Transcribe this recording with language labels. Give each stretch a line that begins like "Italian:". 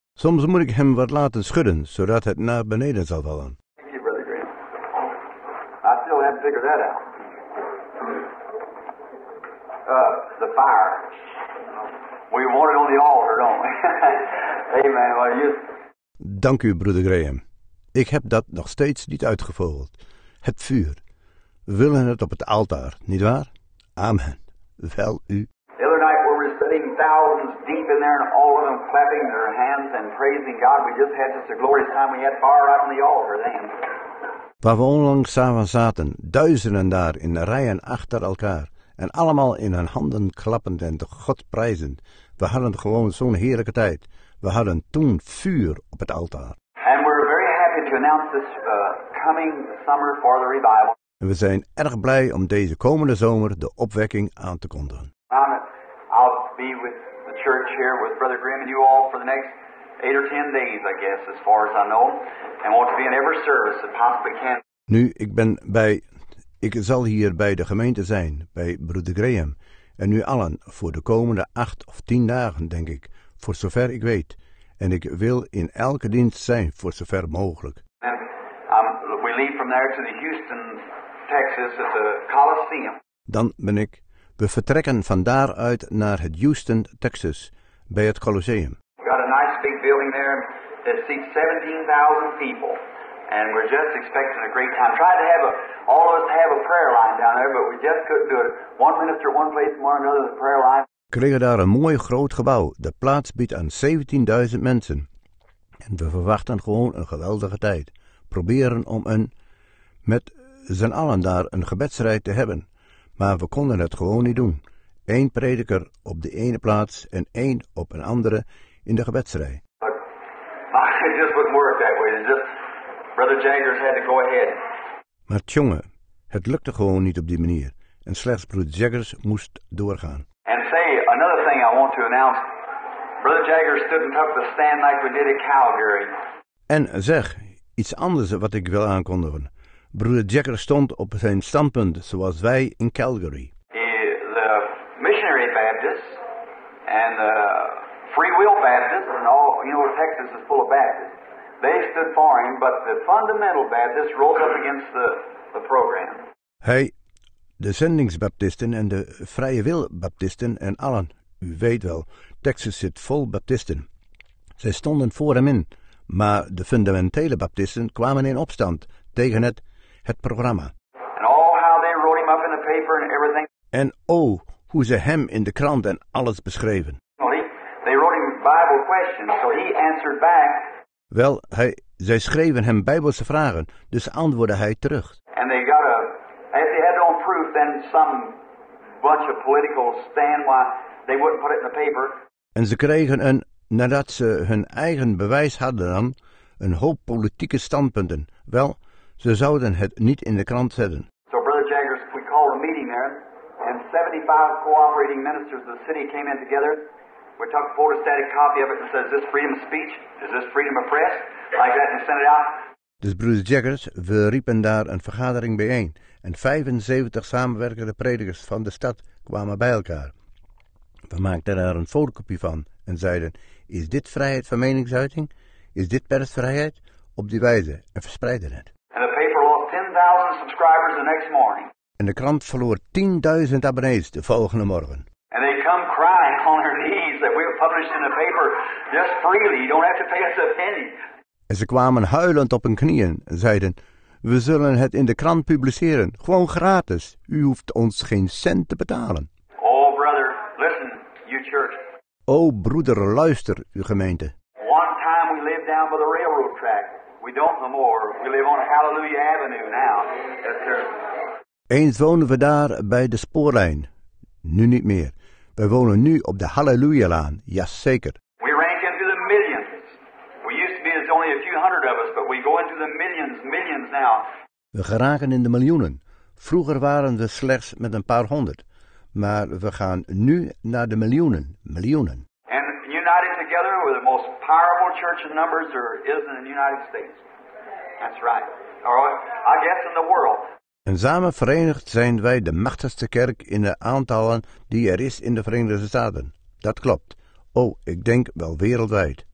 Dutch: Soms moet ik hem wat laten schudden, zodat het naar beneden zal vallen.
English: Thank you, brother Graham. I still have to figure that out. The fire. We want it on the altar, don't we? Amen. Well, you...
Dutch: Dank u, broeder Graham. Ik heb dat nog steeds niet uitgevogeld. Het vuur. We willen het op het altaar, nietwaar? Amen. Wel u.
English: The other night we were sitting thousands deep in there and all of them clapping their hands and praising God. We just had such a glorious time. We had fire right on the altar then.
Dutch: Waar we onlangs samen zaten, duizenden daar in rijen achter elkaar. En allemaal in hun handen klappend en de God prijzend. We hadden gewoon zo'n heerlijke tijd. We hadden toen vuur op het altaar.
English: And we're very happy to announce this coming summer for the revival.
Dutch: En we zijn erg blij om deze komende zomer de opwekking aan te kondigen.
English: I'll be with the church here with Brother Graham and you all for the next 8 or 10 days, I guess, as far as I know. And want to be in every service that possibly can.
Dutch: Nu, ik zal hier bij de gemeente zijn, bij broeder Graham. En nu allen, voor de komende 8 of 10 dagen, denk ik, voor zover ik weet. En ik wil in elke dienst zijn, voor zover mogelijk.
English: We leave from there to the Houston, Texas, at the Coliseum.
Dutch: Dan ben ik, we vertrekken van daaruit naar het Houston, Texas, bij het Colosseum.
English: We got a nice big building there that seats 17,000 people. And we're just expecting a great time. Tried to have all of us to have a prayer line down there, but we just couldn't do it. One minister at one place, one another, the prayer line.
Dutch: Kregen daar een mooi groot gebouw. De plaats biedt aan 17.000 mensen. En we verwachten gewoon een geweldige tijd. Proberen om met z'n allen daar een gebedsrijd te hebben. Maar we konden het gewoon niet doen. 1 prediker op de ene plaats en 1 op een andere in de gebedsrij.
English: It just wouldn't work that way. Brother Jagger's had to go ahead.
Dutch: Maar tjonge, het lukte gewoon niet op die manier. En slechts broeder Jaggers moest doorgaan.
English: And say, another thing I want to announce. Brother Jaggers stood and took the stand like we did at Calgary.
Dutch: En zeg, iets anders wat ik wil aankondigen. Broeder Jaggers stond op zijn standpunt zoals wij in Calgary.
English: The missionary Baptist and the free will Baptist and all, you know, Texas is full of Baptists. They stood for him, but the fundamental Baptist rose up against the program.
Dutch: Hey, de zendingsbaptisten en de vrije wil baptisten en allen, u weet wel, Texas zit vol baptisten. Zij stonden voor hem in, maar de fundamentele baptisten kwamen in opstand tegen het programma.
English: And all how they wrote him up in the paper and everything.
Dutch: En oh, hoe ze hem in de krant en alles beschreven.
English: Well, they wrote him Bible questions, so he answered back.
Dutch: Wel, zij schreven hem Bijbelse vragen, dus antwoordde hij terug.
English: And they got if they had no proof, then some bunch of political stand why they wouldn't put it in the paper.
Dutch: En ze kregen nadat ze hun eigen bewijs hadden dan, een hoop politieke standpunten. Wel, ze zouden het niet in de krant zetten.
English: So Brother Jaggers, we called a meeting there, and 75 cooperating ministers of the city came in together. We took a photostatic copy of it and said, is this freedom of speech? Is this freedom of press? Like that and send it out.
Dutch: Dus broeder Jaggers, we riepen daar een vergadering bijeen. En 75 samenwerkende predikers van de stad kwamen bij elkaar. We maakten daar een fotocopie van en zeiden, is dit vrijheid van meningsuiting? Is dit persvrijheid? Op die wijze en verspreidden het.
English: And the paper lost 10,000 subscribers the next morning.
Dutch: En de krant verloor 10.000 abonnees de volgende morgen.
English: And they come crying on their knees that we have published in the paper just freely. You don't have to pay us a penny.
Dutch: En ze kwamen huilend op hun knieën en zeiden, we zullen het in de krant publiceren, gewoon gratis. U hoeft ons geen cent te betalen.
English: Oh, brother, listen, you church.
Dutch: Oh, broeder, luister, uw gemeente.
English: One time we lived down by the railroad track. We don't no more. We live on Hallelujah Avenue now. Yes, sir.
Dutch: Eens woonden we daar bij de spoorlijn. Nu niet meer. We wonen nu op de Hallelujahlaan, jazeker.
English: We rank into the millions. We used to be as only a few hundred of us, but we go into the millions, millions now.
Dutch: We geraken in de miljoenen. Vroeger waren we slechts met een paar honderd. Maar we gaan nu naar de miljoenen, miljoenen.
English: And united together with the most powerful church in numbers there is in the United States. That's right. Or I guess in the world.
Dutch: En samen verenigd zijn wij de machtigste kerk in de aantallen die er is in de Verenigde Staten. Dat klopt. Oh, ik denk wel wereldwijd.